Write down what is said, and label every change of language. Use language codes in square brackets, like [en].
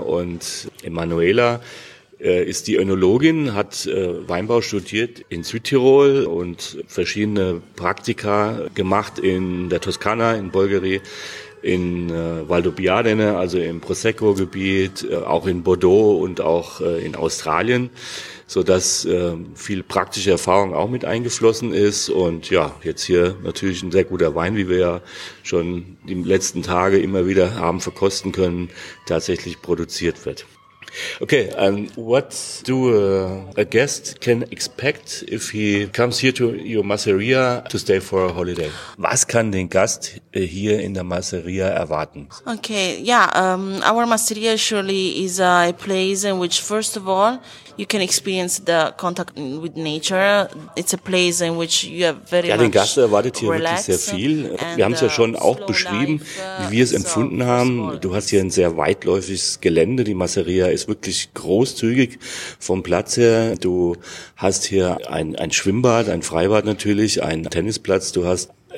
[de] Und Emanuela ist die Önologin, hat Weinbau studiert in Südtirol und verschiedene Praktika gemacht in der Toskana, in Bolgheri, in Valdobbiadene, also im Prosecco-Gebiet, auch in Bordeaux und auch in Australien, sodass viel praktische Erfahrung auch mit eingeflossen ist. Und ja, jetzt hier natürlich ein sehr guter Wein, wie wir ja schon die letzten Tage immer wieder haben verkosten können, tatsächlich produziert wird. [en] Okay, and what do a guest can expect if he comes here to your Masseria to stay for a holiday? [de] Was kann den Gast hier in der Masseria erwarten? [en] Okay, yeah, our Masseria surely is a place in which, first of all, you can experience the contact with nature. It's a place in which you have very much [de] Den Gast erwartet hier wirklich sehr viel. Wir haben es ja schon auch beschrieben, wie wir es empfunden haben. Du hast hier ein sehr weitläufiges Gelände. Die Masseria ist wirklich großzügig vom Platz her. Du hast hier ein Schwimmbad, ein Freibad natürlich, einen Tennisplatz. Du hast